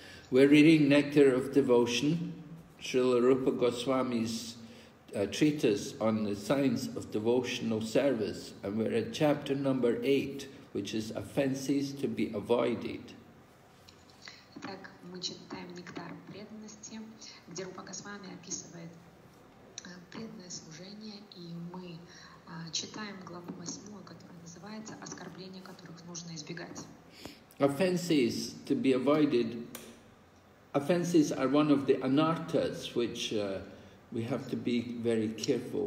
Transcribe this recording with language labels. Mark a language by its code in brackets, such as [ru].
[en] We're reading Nectar of Devotion, Srila Rupa Goswami's treatise on the science of devotional service, and we're at chapter number 8, which is Offenses to be Avoided. [ru] Мы читаем «Нектар преданности», где Рупа Госвами описывает преданное служение, и мы читаем главу 8, которая называется «Оскорбления, которых нужно избегать». [en] Offenses to be avoided. Offenses are one of the anarthas, which we have to be very careful.